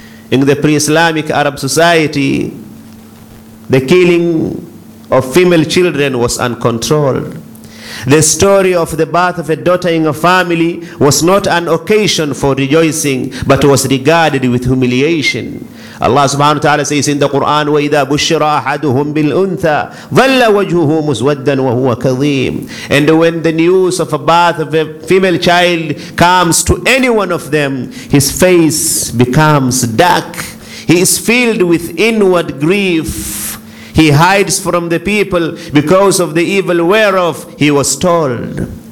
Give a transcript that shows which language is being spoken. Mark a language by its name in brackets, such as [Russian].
[English] In the pre-Islamic Arab society, the killing of female children was uncontrolled. The story of the birth of a daughter in a family was not an occasion for rejoicing, but was regarded with humiliation. Allah subhanahu wa ta'ala says in the Quran, [Arabic] وَإِذَا بُشِّرَ أَحَدُهُمْ بِالْأُنْثَى ظَلَّ وَجْهُهُ مُسْوَدًّا وَهُوَ كَظِيمٌ. [English] And when the news of a birth of a female child comes to any one of them, his face becomes dark. He is filled with inward grief. He hides from the people because of the evil whereof he was told.